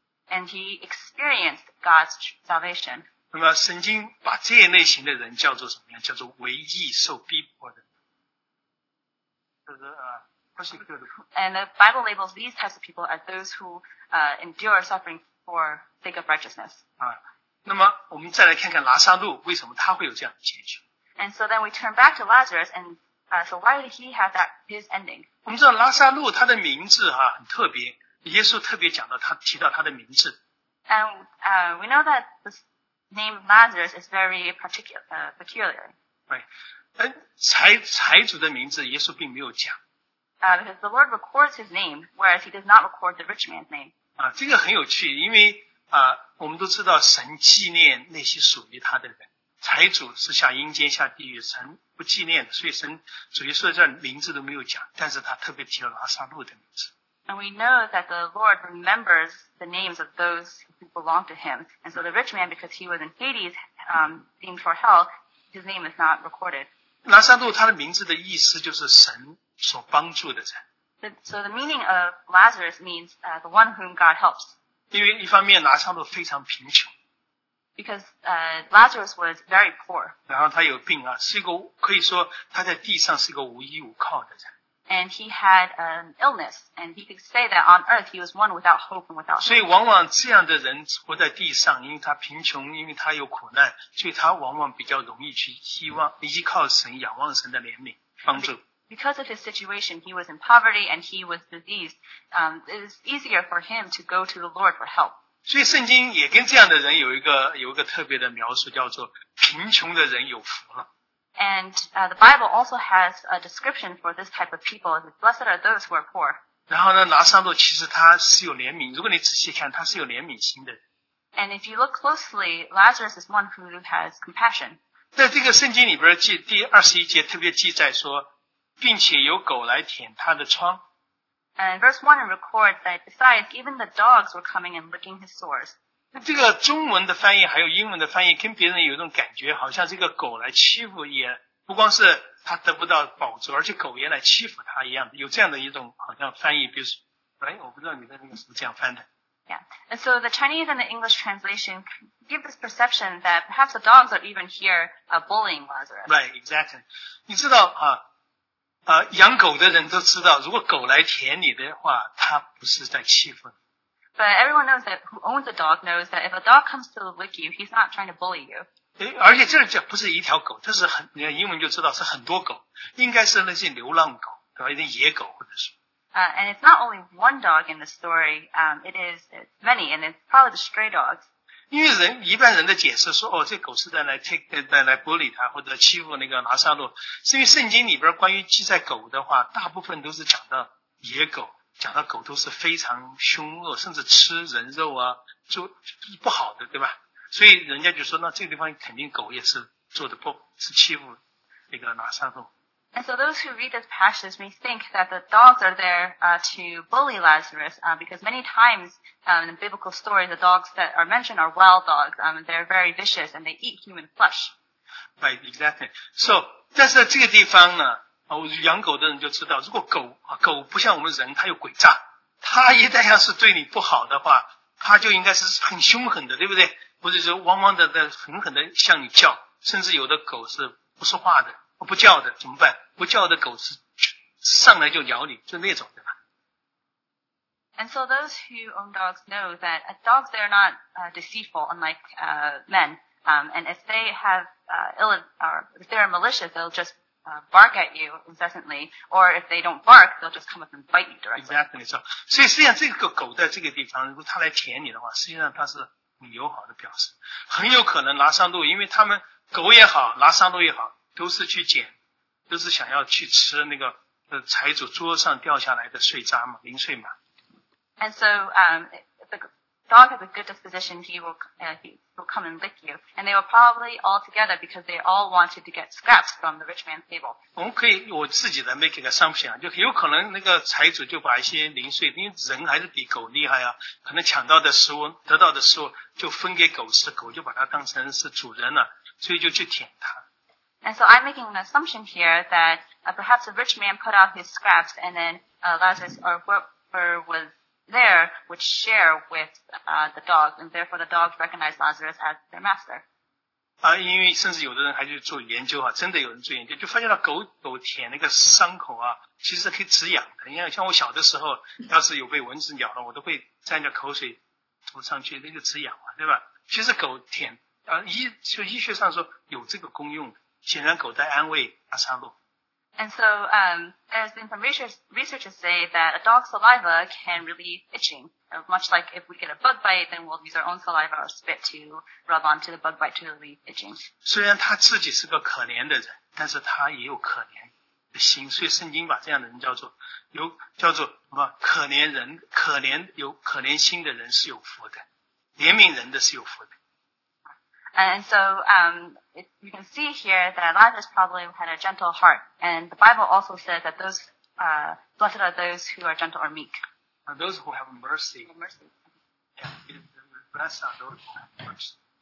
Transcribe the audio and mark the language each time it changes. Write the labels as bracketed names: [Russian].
[English] And he experienced God's salvation. [Chinese] 那么圣经把这一类型的人叫做什么样？叫做为义受逼迫的，就是 [English] persecuted. And the Bible labels these types of people as those who endure suffering for sake of righteousness. [Chinese] 那么我们再来看看拿撒路为什么他会有这样的结局。 [English] And so then we turn back to Lazarus, and so why did he have that his ending? [Chinese] 我们知道拿撒路他的名字哈、啊、很特别，耶稣特别讲到他提到他的名字。 [English] And we know that the name Lazarus is very peculiar. Right. [Chinese] 财主的名字耶稣并没有讲。 [English] Because the Lord records his name, whereas he does not record the rich man's name. [Chinese] 这个很有趣，因为我们都知道神纪念那些属于他的人。财主是下阴间下地狱，神不纪念，所以神主耶稣的名字都没有讲，但是他特别提了拉撒路的名字。 [English] And we know that the Lord remembers the names of those who belong to him. And so the rich man, because he was in Hades, deemed for hell, his name is not recorded. [Chinese] 拿撒路他的名字的意思就是神所帮助的人。 [English] So the meaning of Lazarus means the one whom God helps. [Chinese] 因为一方面拿撒路非常贫穷。 [English] Because Lazarus was very poor. [Chinese] 然后他有病啊，是一个可以说他在地上是一个无依无靠的人。 [English] And he had an illness, and he could say that on earth he was one without hope and without. [Chinese] 所以往往这样的人活在地上，因为他贫穷，因为他有苦难，所以他往往比较容易去希望依靠神，仰望神的怜悯帮助。 [English] Because of his situation, he was in poverty and he was diseased. It is easier for him to go to the Lord for help. [Chinese] 所以圣经也跟这样的人有一个特别的描述，叫做贫穷的人有福了。 [English] And the Bible also has a description for this type of people. Blessed are those who are poor. [Chinese] 然后呢，拿撒路其实他是有怜悯。如果你仔细看，他是有怜悯心的。 [English] And if you look closely, Lazarus is one who has compassion. [Chinese] 在这个圣经里边记第二十一节特别记载说，并且有狗来舔他的疮。 [English] And verse 1 records that besides, even the dogs were coming and licking his sores. [Chinese] 这个中文的翻译还有英文的翻译跟别人有一种感觉，好像这个狗来欺负也不光是他得不到饱足，而且狗也来欺负他一样，有这样的一种好像翻译，比如说，哎，我不知道你在那边是不是这样翻的。 [English] Yeah, and so the Chinese and the English translation give this perception that perhaps the dogs are even here bullying Lazarus. Right, exactly. [Chinese] 你知道啊。养狗的人都知道，如果狗来舔你的话，它不是在欺负你。 [English] But everyone knows that who owns a dog knows that if a dog comes to lick you, he's not trying to bully you. [Chinese] 而且这不是一条狗，这是很英文就知道是很多狗，应该是那些流浪狗，对吧？一些野狗或者是。 [English] And it's not only one dog in the story. It's many, and it's probably the stray dogs. [Chinese] 因为人一般人的解释说，哦，这狗是在来 bully 他或者欺负那个拿撒路，是因为圣经里边关于记载狗的话，大部分都是讲到野狗，讲到狗都是非常凶恶，甚至吃人肉啊，就不好的，对吧？所以人家就说，那这个地方肯定狗也是做的不是欺负那个拿撒路。 [English] And so those who read this passage may think that the dogs are there to bully Lazarus because many times in the biblical story the dogs that are mentioned are wild dogs. They're very vicious and they eat human flesh. Right, exactly. [Chinese] So, 但是这个地方呢，养狗的人就知道，如果狗不像我们人，它有诡诈，它一旦要是对你不好的话，它就应该是很凶狠的，对不对？或者是汪汪的狠狠的向你叫，甚至有的狗是不说话的。不叫的怎么办？不叫的狗是上来就咬你，就那种，对吧？ [English] And so those who own dogs know that dogs they're not deceitful unlike men. And if they have ill or if they're malicious, they'll just bark at you incessantly. Or if they don't bark, they'll just come up and bite you directly. Exactly. [Chinese] So, 所以实际上这个狗在这个地方，如果它来舔你的话，实际上它是很友好的表示，很有可能拿撒路，因为他们狗也好，拿撒路也好。都是去捡，都是想要去吃那个财主桌上掉下来的碎渣嘛，零碎嘛。 [English] And so, if the dog has a good disposition, he will come and lick you, and they will probably all together because they all wanted to get scraps from the rich man's table. [Chinese] 我们可以我自己的 [English] make [Chinese] 一个 [English] assumption [Chinese] 啊，就有可能那个财主就把一些零碎，因为人还是比狗厉害啊，可能抢到的食物、得到的食物就分给狗吃，狗就把它当成是主人了，所以就去舔它。 [English] And so I'm making an assumption here that perhaps a rich man put out his scraps and then Lazarus or whoever was there would share with the dog and therefore the dog recognized Lazarus as their master. [Chinese] 因为甚至有的人还去做研究啊，真的有人做研究，就发现了狗舔那个伤口啊，其实可以止痒的。因为像我小的时候，要是有被蚊子咬了，我都会沾着口水涂上去，那个止痒嘛，对吧？其实狗舔医学上说有这个功用的。显然狗在安慰拿撒路。 [English] And so, as researchers say that a dog's saliva can relieve itching, much like if we get a bug bite, then we'll use our own saliva or spit to rub onto the bug bite to relieve itching. [Chinese] 虽然他自己是个可怜的人，但是他也有可怜的心，所以圣经把这样的人叫做什么？可怜人，可怜有可怜心的人是有福的，怜悯人的是有福的。 [English] And so, you can see here that Lazarus probably had a gentle heart. And the Bible also says that those, blessed are those who are gentle or meek. Those who have mercy. Mercy. Yeah, blessed are those who have mercy.